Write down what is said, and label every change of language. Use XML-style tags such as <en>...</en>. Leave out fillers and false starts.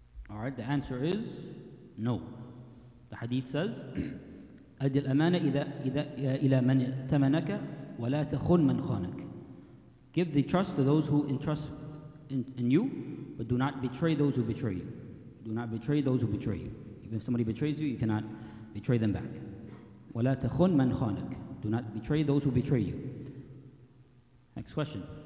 <en>All right, the answer is no.</en> <ar>The hadith says, أَدِ الْأَمَانَ إِلَى مَنْ تَمَنَكَ وَلَا تَخُنْ مَنْ خَانَكَ.</ar> <en>Give the trust to those who entrust in you, but do not betray those who betray you. Do not betray those who betray you. Even if somebody betrays you, you cannot betray them back.</en> <ar>وَلَا تَخُنْ مَنْ خَانَكَ.</ar> <en>Do not betray those who betray you. Next question.</en>